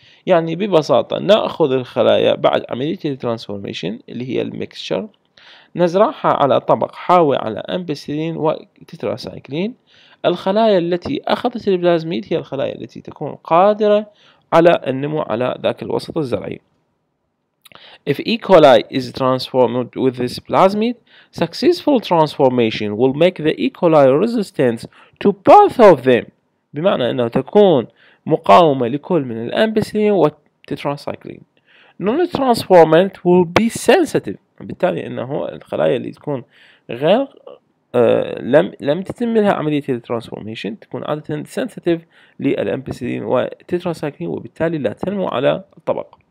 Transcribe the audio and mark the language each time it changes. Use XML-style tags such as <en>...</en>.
<ar>يعني ببساطة نأخذ الخلايا بعد عملية الترانسفورميشن اللي هي الميكسشر، نزرعها على طبق حاوي على أمبيسيلين وتتراسايكلين. الخلايا التي أخذت البلازميد هي الخلايا التي تكون قادرة على النمو على ذاك الوسط الزرعي.</ar> <en>If E. coli is transformed with this plasmid, successful transformation will make the E. coli resistant to both of them.</en> <ar>بمعنى أنه تكون مقاومة لكل من الأمبيسيلين والتتراسايكلين.</ar> <en>Non-transformant will be sensitive.</en> <ar>بالتالي أنه الخلايا اللي تكون غير لم تتم لها عملية الترانسفورميشن تكون عادة sensitive للأمبيسيلين والتتراسايكلين، وبالتالي لا تنمو على الطبق.</ar>